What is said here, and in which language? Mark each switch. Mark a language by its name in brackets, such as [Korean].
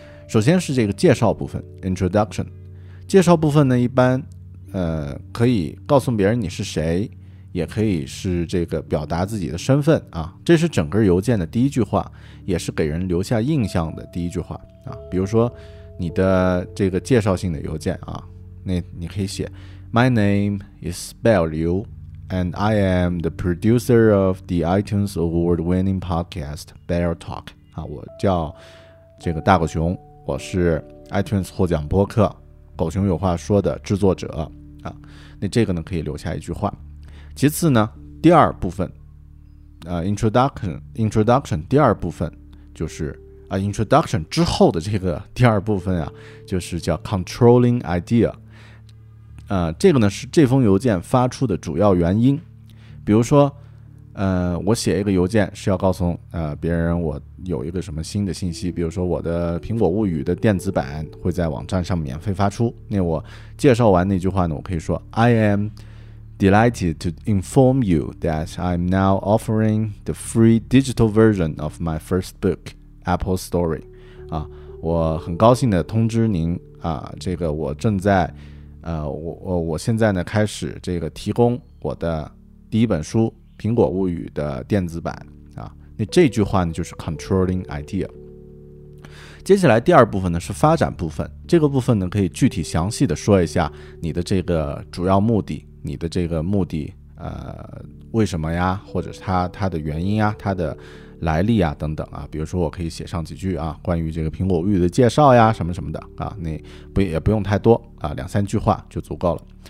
[Chinese] 首先是这个介绍部分 introduction。介绍部分呢一般可以告诉别人你是谁，也可以是这个表达自己的身份啊，这是整个邮件的第一句话，也是给人留下印象的第一句话啊。比如说你的这个介绍性的邮件啊，那你可以写 [English] My name is Bell Liu, and I am the producer of the iTunes award-winning podcast, Bear Talk. [Chinese] 我叫这个大狗熊，我是 iTunes 获奖播客《狗熊有话说》的制作者。那这个呢可以留下一句话。其次呢，第二部分introduction 第二部分就是introduction 之后的这个第二部分啊，就是叫 controlling idea。这个呢是这封邮件发出的主要原因。比如说我写一个邮件是要告诉别人我有一个什么新的信息，比如说我的苹果物语的电子版会在网站上免费发出。那我介绍完那句话呢，我可以说 [English] I am delighted to inform you that I'm now offering the free digital version of my first book, Apple Story. [Chinese] 我很高兴的通知您这个我正在我现在呢开始这个提供我的第一本书《苹果物语》的电子版啊，那这句话呢就是 controlling idea。接下来第二部分呢是发展部分，这个部分呢可以具体详细的说一下你的这个主要目的，你的这个目的为什么呀，或者是 它的原因啊，它的来历啊等等啊，比如说我可以写上几句啊关于这个苹果物语的介绍呀什么什么的啊，那不也不用太多啊，两三句话就足够了。